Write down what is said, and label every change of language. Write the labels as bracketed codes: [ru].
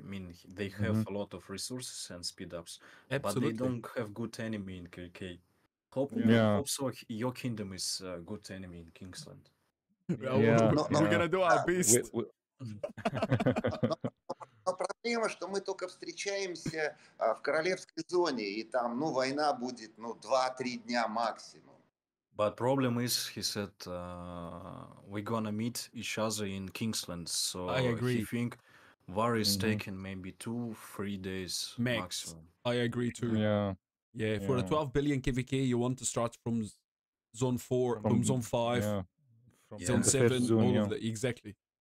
[en] I mean, they have a lot of resources and speed-ups. Absolutely. But they don't have good enemy in KVK. Hope so your kingdom is a good enemy in Kingsland. We're gonna do our best. [ru] Но проблема, что мы только встречаемся в королевской зоне, и там, ну, война будет, ну, 2-3 дня максимум. [en] But problem is, he said, we're gonna meet each other in Kingsland, so I agree. He think war is taking maybe 2-3 days maximum. I agree too. Yeah. Yeah, for a 12 billion KVK, you want to start from zone 4, from zone 5, zone 7, all of that. Exactly.